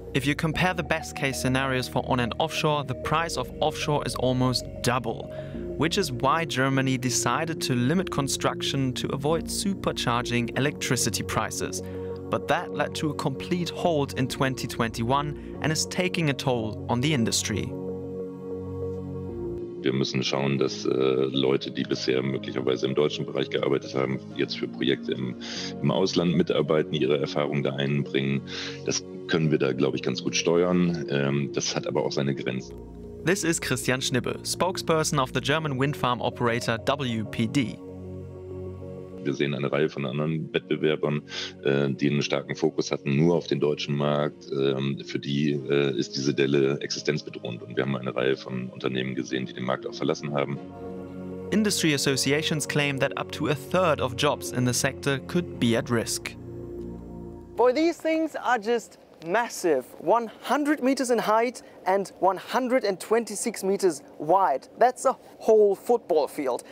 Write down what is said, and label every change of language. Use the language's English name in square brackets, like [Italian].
[English] If you compare the best case scenarios for on and offshore, the price of offshore is almost double, which is why Germany decided to limit construction to avoid supercharging electricity prices. But that led to a complete halt in 2021 and is taking a toll on the industry. [German] Wir müssen schauen, dass Leute, die bisher möglicherweise im deutschen Bereich gearbeitet haben, jetzt für Projekte im Ausland mitarbeiten, ihre Erfahrungen da einbringen. Das können wir da, glaube ich, ganz gut steuern. Das hat aber auch seine Grenzen. [English] This is Christian Schnibbe, spokesperson of the German wind farm operator WPD. [German] Wir sehen eine Reihe von anderen Wettbewerbern, die einen starken Fokus hatten nur auf den deutschen Markt. Für die ist diese Delle existenzbedrohend. Und wir haben eine Reihe von Unternehmen gesehen, die den Markt auch verlassen haben. [English] Industry associations claim that up to a third of jobs in the sector could be at risk. Boy, these things are just massive. 100 meters in height and 126 meters wide. That's a whole football field.